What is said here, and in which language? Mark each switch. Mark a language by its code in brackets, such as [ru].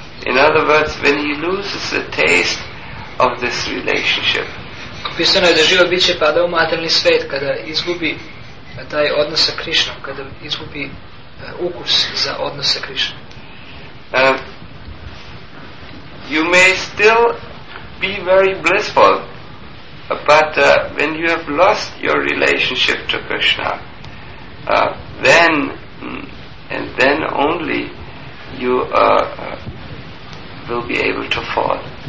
[en] In other words, when he loses the taste of this relationship. [sr] Opisano je da živo biće pada u materijalni svet kada izgubi taj odnos sa Krišnom, kada izgubi ukus za odnos sa Krišnom. [en] You may still be very blissful, but when you have lost your relationship to Krishna, then slowly you will be able to fall.